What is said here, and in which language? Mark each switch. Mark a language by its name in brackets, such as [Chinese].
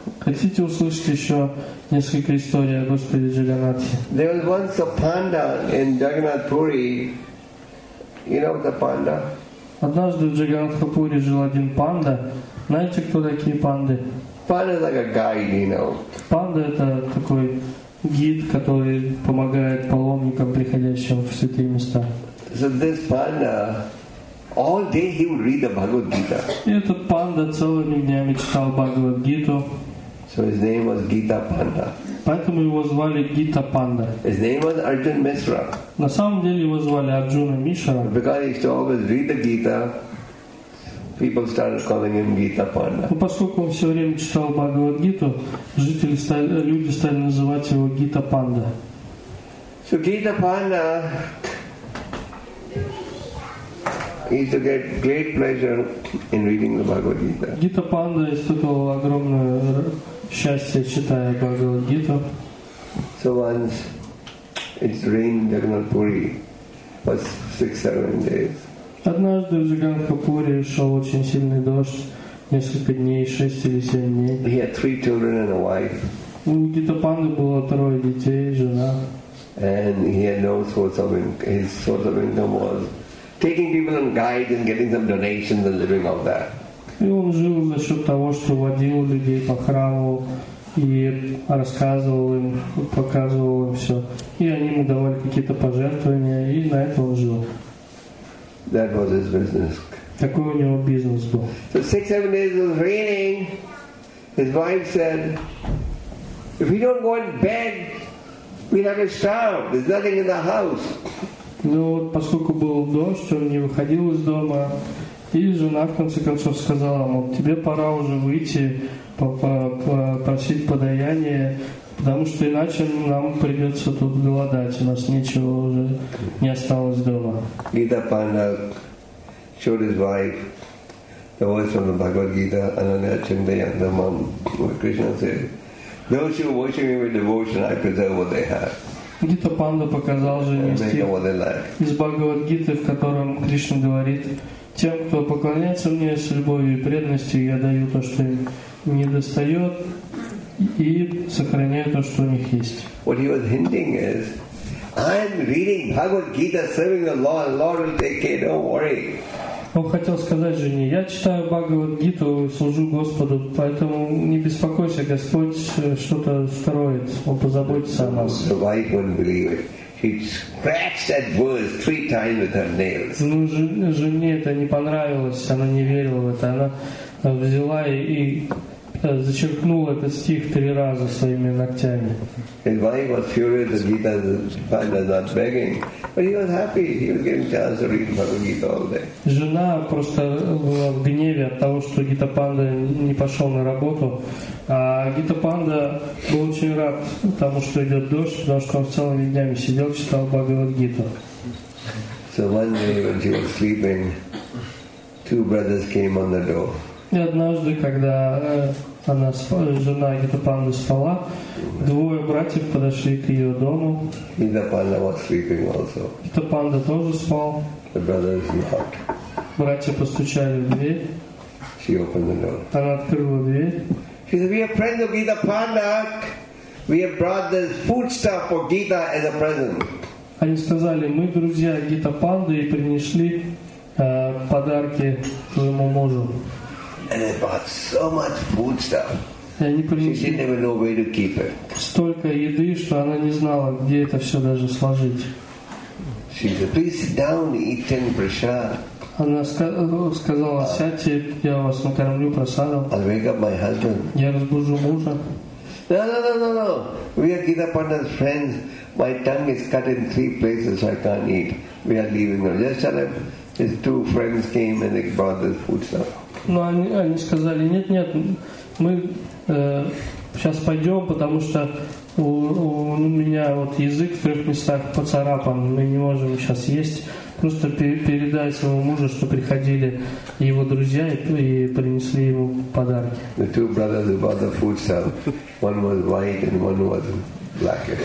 [Russian] Хотите услышать еще несколько историй о Господе Джаганнатхе? [English] There was once a panda in Jagannath Puri. You know the panda? [Russian] Однажды в Джаганнатха Пури жил один панда. Знаете, кто такие панды? [English] Panda is like a guide, you know. [Russian] Панда это такой гид, который помогает паломникам, приходящим в святые места. [English] So this panda. All day he would read the Bhagavad Gita. [Russian] И этот панда целыми днями читал Бхагавад Гиту. [English] So his name was Gita Panda. [Russian] Поэтому его звали Гита Панда. [English] His name was Arjun Mishra. [Russian] На самом деле его звали Арджуна Мишра. [English] Because he used to always read the Gita, people started calling him Gita Panda. [Russian] Ну, поскольку он все время читал Бхагавад Гиту, люди стали называть его Гита Панда. [English] So Gita Panda. He used to get great pleasure in reading the Bhagavad Gita. [Russian] Gita Panda испытывал огромное счастье, читая Bhagavad Gita. [English] So once it rained in Jagannath Puri for 6-7 days. [Russian] Однажды в Jagannath Puri шел очень сильный дождь, несколько дней, 6 или 7 дней. [English] He had 3 children and a wife. [Russian] У Гитапанды было трое детей, жена. [English] And he had no source of income. His source of income was taking people on guides and getting some donations and living off that. [Russian] И он жил за счет того, что водил людей по храму и рассказывал им, показывал им все. И они ему давали какие-то пожертвования, и на это он жил. [English] That was his business. [Russian] Такой у него бизнес был. [English] So 6-7 days it was raining. His wife said, if we don't go in bed, we'll have to starve. There's nothing in the house. [Russian] Ну вот поскольку был дождь, он не выходил из дома. И жена в конце концов сказала ему, тебе пора уже выйти, попросить подаяние, потому что иначе нам придется тут голодать, у нас ничего уже не осталось дома. [English] Gita Panda showed his wife the words from the Bhagavad Gita, Ananya Chandayandamam, where Krishna said, those who worship me with devotion, I preserve what they have. [Russian] Гита Панда показал жене стих из Бхагавад Гиты, в котором Кришна говорит, тем, кто поклоняется мне с любовью и преданностью, я даю то, что им не достает, и сохраняю то, что у них есть. [English] What he was hinting is, I am reading Bhagavad Gita, serving the Lord, and the Lord will take care, don't worry. [Russian] Он хотел сказать жене, я читаю Бхагавад Гиту, служу Господу, поэтому не беспокойся, Господь что-то строит, Он позаботится о нас. [English] The wife won't believe it. She scratched that verse 3 times with her nails. [Russian] Ну, жене это не понравилось, она не верила в это. Она взяла и зачеркнула этот стих 3 раза своими ногтями. [English] His wife was furious that Gita Panda is not begging. But he was happy. He was getting a chance to read Bhagavad Gita all day. [Russian] Жена просто была в гневе от того, что Гита Панда не пошел на работу. А Гита Панда был очень рад тому, что идет дождь, потому что он целыми днями сидел, читал Бхагавад Гиту. [English] So one day when she was sleeping, 2 brothers came on the door. [Russian] И однажды, когда она спала, жена Гита Панды спала, 2 братьев подошли к ее дому. [English] Гита Панда was sleeping also. [Russian] Гита Панда тоже спал. [English] The brothers knocked. [Russian] Братья постучали в дверь. [English] She opened the door. [Russian] Она открыла дверь. [English] She said, we are friends of Gita Panda. We have brought this foodstuff for Gita as a present. [Russian] Они сказали, мы друзья Гита Панды и принесли подарки твоему мужу. [English] And they brought so much foodstuff. She didn't even know where to keep it. [Russian] Столько еды, что она не знала, где это все даже сложить. [English] She said, please sit down and eat 10 prasad. [Russian] Она сказала, сядьте, я вас накормлю просадом. [English] I'll wake up my husband. [Russian] Я разбужу мужа. [English] No. We are Gita Panda's friends. My tongue is cut in 3 places, so I can't eat. We are leaving now. Yesterday, his 2 friends came and they brought this food stuff. [Russian] Но они сказали, нет, мы сейчас пойдем, потому что у меня вот язык в 3 местах поцарапан, мы не можем сейчас есть. Просто передай своему мужу, что приходили его друзья и принесли ему подарки. [English] The 2 brothers who brought the food stuff, one was white and one was black.